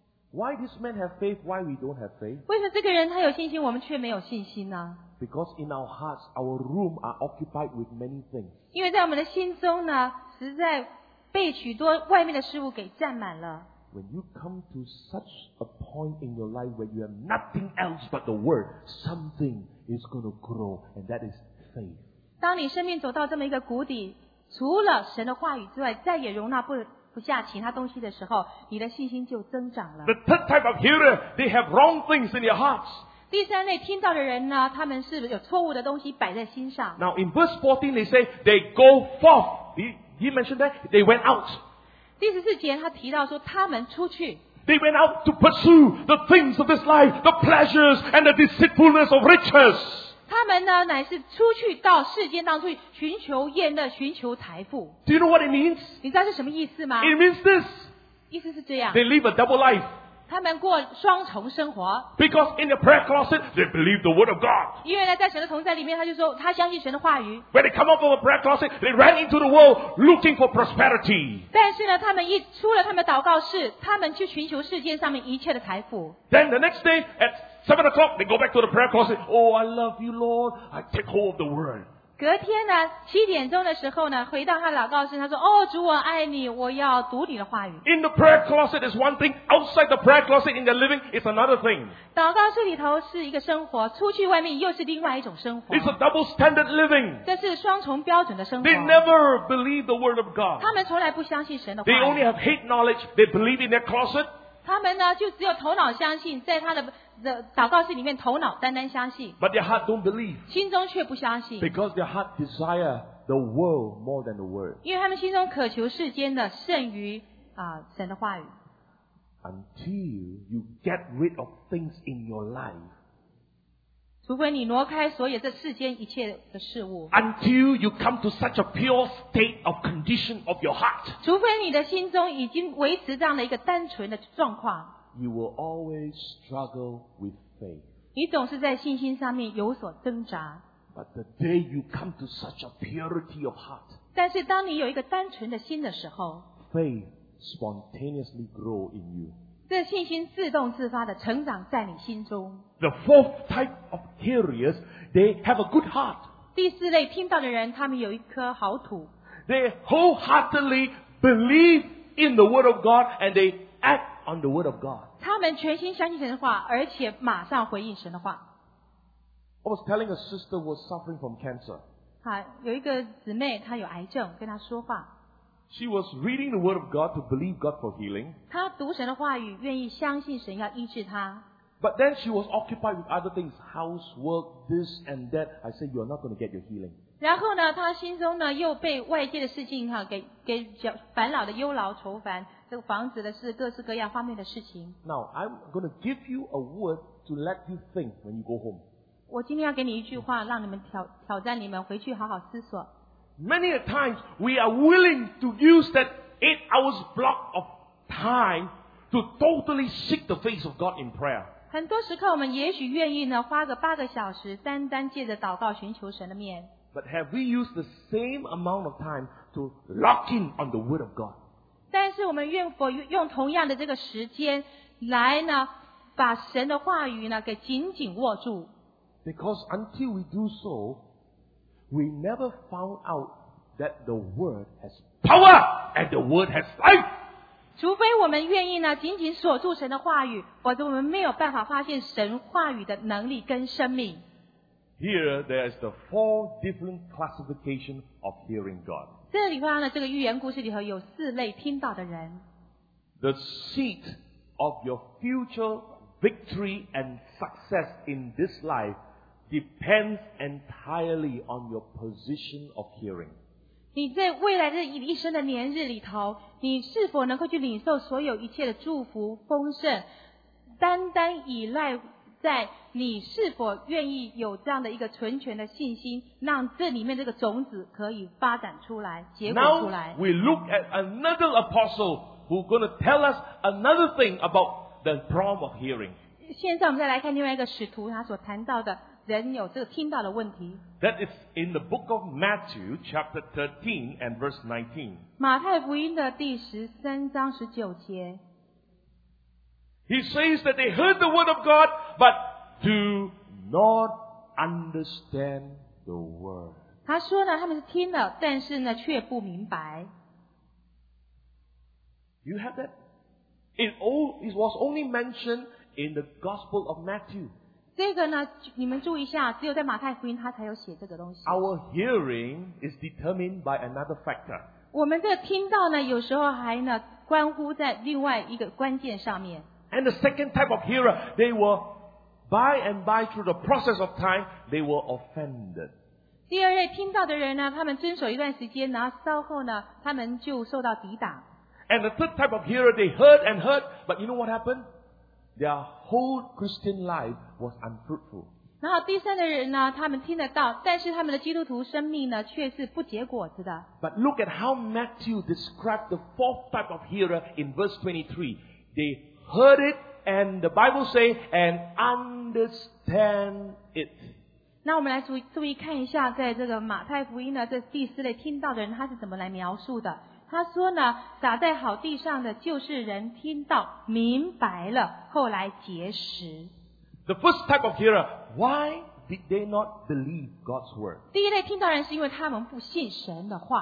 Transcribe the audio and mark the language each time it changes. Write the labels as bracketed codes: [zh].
[en] Why this man have faith, why we don't have faith? [zh] 为什么这个人他有信心,我们却没有信心呢? [en] Because in our hearts, our room are occupied with many things. [zh] 因为在我们的心中呢, 实在被许多外面的事物给占满了。 [en] When you come to such a point in your life where you have nothing else but the Word, something is going to grow, and that is faith. [zh] 当你生命走到这么一个谷底，除了神的话语之外，再也容纳不下其他东西的时候，你的信心就增长了。 [en] The third type of hearer, they have wrong things in their hearts. [zh] 第三类听到的人呢，他们是有错误的东西摆在心上。 [en] Now in verse 14, they say they go forth. He mentioned that they went out. [zh] 第十四节他提到说他们出去。 [en] They went out to pursue the things of this life, the pleasures and the deceitfulness of riches. [zh] 他们呢乃是出去到世间当中去寻求宴乐寻求财富。 [en] Do you know what it means? [zh] 你知道是什么意思吗? [en] It means this. [zh] 意思是这样。 [en] They live a double life. [zh] 他们过双重生活。 [en] Because in the prayer closet, they believe the word of God. [zh] 因为呢在神的同在里面他就说他相信神的话语。 [en] When they come out of the prayer closet, they ran into the world looking for prosperity. [zh] 但是呢他们一出了他们祷告室他们去寻求世间上面一切的财富。 [en] Then the next day, at 7 o'clock, they go back to the prayer closet. Oh, I love you, Lord. I take hold of the word. [zh] 隔天呢七点钟的时候呢回到他祷告室他说哦、oh, 主我爱你我要读你的话语。 [en] In the prayer closet is one thing. Outside the prayer closet in the living is another thing. [zh] 祷告室里头是一个生活出去外面又是另外一种生活。 [en] It's a double standard living. [zh] 这是双重标准的生活。 [en] They never believe the word of God. [zh] 他们从来不相信神的话语。 [en] They only have hate knowledge. They believe in their closet. [zh] 他们呢就只有头脑相信在他的祷告室里面头脑单单相信 [en] But their heart don't believe [zh] 心中却不相信 [en] Because their heart desire the world more than the word [zh] 因为他们心中渴求世间的胜于、神的话语 [en] Until you get rid of things in your life [zh] 除非你挪开所有这世间一切的事物 [en] Until you come to such a pure state of condition of your heart [zh] 除非你的心中已经维持这样的一个单纯的状况 [en] You will always struggle with faith. [zh] 你总是在信心上面有所挣扎。 [en] But the day you come to such a purity of heart, [zh] 但是当你有一个单纯的心的时候 [en] faith spontaneously grow in you. [zh] 这信心自动自发的成长在你心中。 [en] The fourth type of hearers, they have a good heart. [zh] 第四类听到的人，他们有一颗好土。 [en] They wholeheartedly believe in the word of God and they act. On the word of God. [zh] 他们全心相信神的话，而且马上回应神的话。 [en] I was telling a sister was suffering from cancer. [zh] 有一个姊妹她有癌症，跟她说话。 [en] She was reading the word of God to believe God for healing. [zh] 她读神的话语，愿意相信神要医治她。 [en] But then she was occupied with other things, housework, this and that. I said, you are not going to get your healing. [zh] 然后呢他心中呢又被外界的事情、啊、给烦恼的忧劳愁烦这个房子的事各式各样方面的事情 [en] Now I'm going to give you a word to let you think when you go home [zh] 我今天要给你一句话让你们 挑战你们回去好好思索 [en] Many a times we are willing to use that 8 hours block of time to totally seek the face of God in prayer [zh] 很多时刻我们也许愿意呢花个8个小时单单借着祷告寻求神的面 [en] But have we used the same amount of time to lock in on the word of God? [zh] 但是我们愿否用同样的这个时间来呢把神的话语呢给紧紧握住 [en] Because until we do so, we never found out that the word has power and the word has life. [zh] 除非我们愿意呢紧紧锁住神的话语否则我们没有办法发现神话语的能力跟生命。 [en] Here, there is the 4 different classification of hearing God. [zh] 这里话呢，这个寓言故事里头有四类听到的人。 [en] The seat of your future victory and success in this life depends entirely on your position of hearing. [zh] 你在未来的一生的年日里头，你是否能够去领受所有一切的祝福、丰盛，单单依赖。在你是否愿意有这样的一个纯全的信心，让这里面这个种子可以发展出来，结果出来。 [en] Now we look at another apostle who going to tell us another thing about the problem of hearing. [zh] 现在我们再来看另外一个使徒他所谈到的人有这个听到的问题。 [en] That is in the book of Matthew chapter 13 and verse 19. [zh] 马太福音的第13章19节。 [en] He says that they heard the word of God, but do not understand the word. [zh] 他说呢，他们是听了，但是呢，却不明白。 [en] You have that It was only mentioned in the Gospel of Matthew. [zh] 这个呢, 你们注意一下, 只有在马太福音他才有写这个东西。 [en] Our hearing is determined by another factor. [zh] 我们这听到呢, 有时候还呢, 关乎在另外一个关键上面。 [en] And the second type of hearer, they were by and by through the process of time, they were offended. [zh] 第二类听到的人呢, 他们遵守一段时间, 然后稍后呢, 他们就受到抵挡。 [en] And the third type of hearer, they heard and heard, but you know what happened? Their whole Christian life was unfruitful. [zh] 然后第三的人呢, 他们听得到, 但是他们的基督徒生命呢, 却是不结果子的。 [en] But look at how Matthew described the fourth type of hearer in verse 23. They heard it, and the Bible says, and understand it. [zh] 那我们来注意看一下, 在这个马太福音呢, 这第四类听到的人, 他是怎么来描述的。他说呢, 撒在好地上的就是人听到, 明白了, 后来结实。 [en] The first type of hearer, why did they not believe God's word? [zh] 第一类听到人是因为他们不信神的话。